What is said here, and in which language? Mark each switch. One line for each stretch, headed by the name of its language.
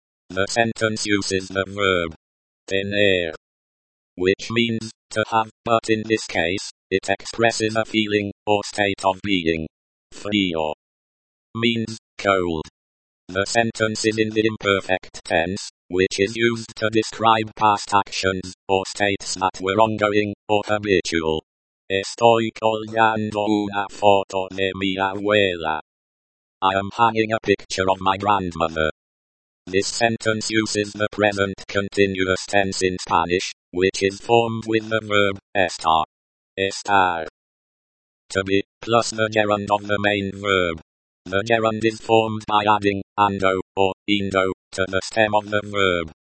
English: The sentence uses the verb tener, which means to have, but in this case, it expresses a feeling or state of being. Frío means cold. The sentence is in the imperfect tense, which is used to describe past actions or states that were ongoing or habitual.
Spanish: Estoy colgando una foto de mi abuela.
English: I am hanging a picture of my grandmother. This sentence uses the present continuous tense in Spanish, which is formed with the verb estar. Estar. To be, plus the gerund of the main verb. The gerund is formed by adding ando, or indo, to the stem of the verb.